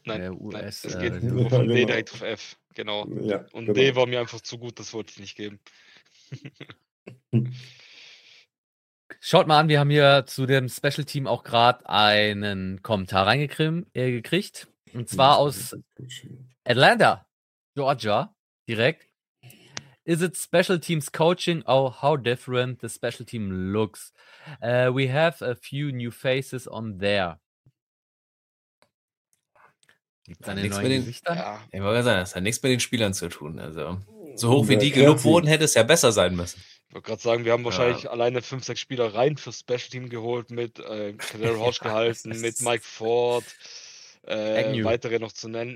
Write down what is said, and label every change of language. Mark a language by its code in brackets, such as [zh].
[de] Nein, US, nein, es geht nur von D direkt auf F, genau. Ja, und genau. D war mir einfach zu gut, das wollte ich nicht geben. Schaut mal an, wir haben hier zu dem Special Team auch gerade einen Kommentar reingekriegt. Und zwar aus Atlanta, Georgia, direkt. [en] Is it special teams coaching or how different the special team looks? We have a few new faces on there. [de] Gibt es da nichts mit den Gesichtern? Ja. Ich wollte sagen, das hat nichts mit den Spielern zu tun. Also, so hoch wie die gelobt wurden, hätte es ja besser sein müssen. Ich wollte gerade sagen, wir haben wahrscheinlich alleine 5, 6 Spieler rein fürs Special Team geholt, mit Kader Hodge gehalten, mit Mike Ford, weitere noch zu nennen.